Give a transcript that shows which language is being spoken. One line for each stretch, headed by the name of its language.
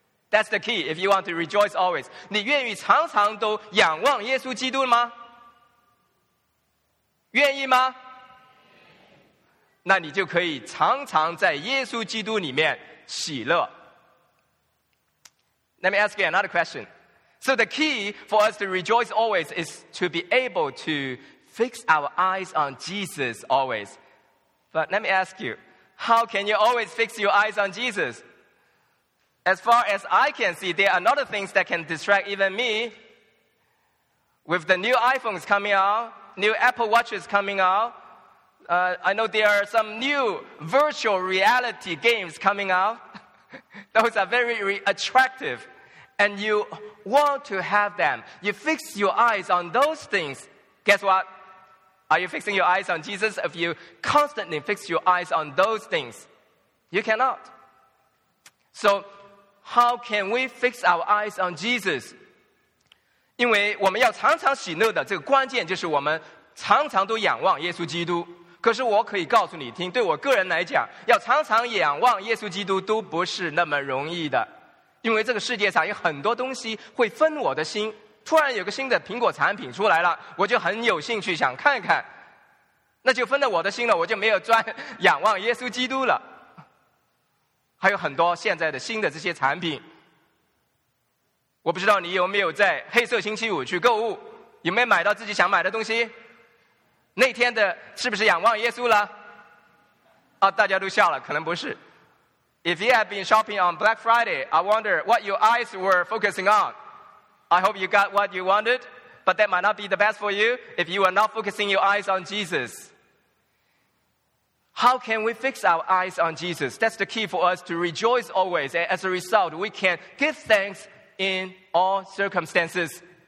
English: That's the key, if you want to rejoice always.
Chinese: 你愿意常常都仰望耶稣基督吗？愿意吗？那你就可以常常在耶稣基督里面喜乐。
English: Let me ask you another question. So the key for us to rejoice always is to be able to fix our eyes on Jesus always. But let me ask you, how can you always fix your eyes on Jesus? As far as I can see, there are other things that can distract even me. With the new iPhones coming out, new Apple Watches coming out, I know there are some new virtual reality games coming out. Those are very attractive. And you want to have them. You fix your eyes on those things. Guess what? Are you fixing your eyes on Jesus? If you constantly fix your eyes on those things, you cannot. So, how can we fix our eyes on Jesus?
Chinese: 因为我们要常常喜乐的这个关键就是我们常常都仰望耶稣基督。可是我可以告诉你听，对我个人来讲，要常常仰望耶稣基督都不是那么容易的。因为这个世界上有很多东西会分我的心，突然有个新的苹果产品出来了，我就很有兴趣想看看，那就分了我的心了，我就没有专仰望耶稣基督了。还有很多现在的新的这些产品，我不知道你有没有在黑色星期五去购物，有没有买到自己想买的东西，那天的是不是仰望耶稣了？啊，大家都笑了，可能不是。
English: If you have been shopping on Black Friday, I wonder what your eyes were focusing on. I hope you got what you wanted, but that might not be the best for you if you are not focusing your eyes on Jesus. How can we fix our eyes on Jesus? That's the key for us to rejoice always, and as a result, we can give thanks in all circumstances.